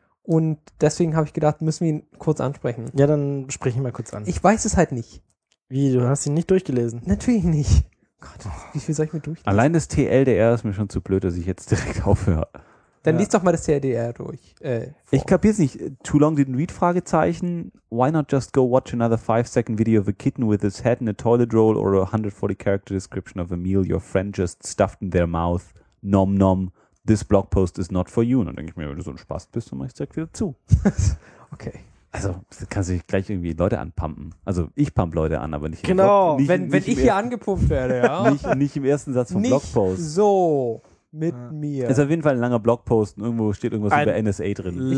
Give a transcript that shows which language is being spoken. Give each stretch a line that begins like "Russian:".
German: Und deswegen habe ich gedacht, müssen wir ihn kurz ansprechen. Ja, dann spreche ich mal kurz an. Ich weiß es halt nicht. Wie, du hast ihn nicht durchgelesen? Natürlich nicht. Gott, wie viel soll ich mir durchlesen? Allein das TLDR ist mir schon zu blöd, dass ich jetzt direkt aufhöre. Dann ja. Lies doch mal das TLDR durch. Ich kapier's nicht.
English: Too long didn't read?
German: Fragezeichen.
English: Why not just go watch another 5-second video of a kitten with its head in a toilet roll or a 140-character description of a meal your friend just stuffed in their mouth? Nom nom. This blog post is not for you.
German: Und dann denke ich mir, wenn du so ein Spaß bist, dann mach ich's direkt wieder zu. Okay. Also, du kannst dich gleich irgendwie Leute anpumpen. Also, ich pump Leute an, aber nicht genau. Im Blogpost. Genau, wenn ich hier angepumpt werde, ja. Nicht im ersten Satz vom nicht Blogpost. So mit mir. Ist auf jeden Fall ein langer Blogpost und irgendwo steht irgendwas ein über NSA drin.